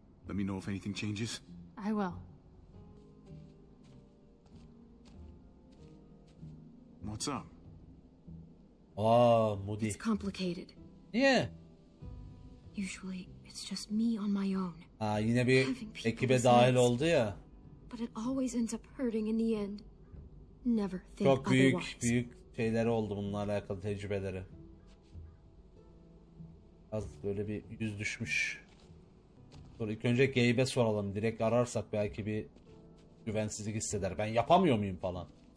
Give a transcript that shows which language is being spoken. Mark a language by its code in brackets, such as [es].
[en] Let me know if anything changes. I will. What's up? Oh, Moody. It's complicated. Yeah. Usually, it's just me on my own. [tr] Ah, yine bir ekibe dahil oldu ya. [en] But it always ends up hurting in the end. Never think otherwise. [tr] Çok büyük, büyük şeyler oldu bununla alakalı tecrübeleri. Az böyle bir yüz düşmüş. Sonra ilk önce Gabe'e soralım. Direkt ararsak belki bir güvensizlik hisseder. Ben yapamıyor muyum falan.